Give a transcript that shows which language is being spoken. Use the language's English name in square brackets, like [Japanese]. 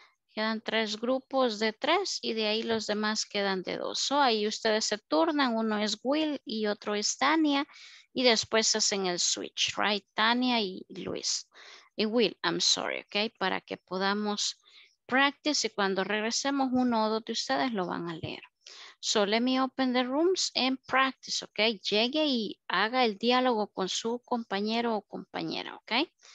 [Spanish] Quedan 3 grupos de 3 y de ahí los demás quedan de 2. So, ahí ustedes se turnan, uno es Will y otro es Tania y después hacen el switch, right? Tania y Luis. Y Will, [English] I'm sorry, okay? [Spanish] Para que podamos practice y cuando regresemos uno o dos de ustedes lo van a leer. [English] So let me open the rooms and practice, okay? [Spanish] Llegue y haga el diálogo con su compañero o compañera, okay?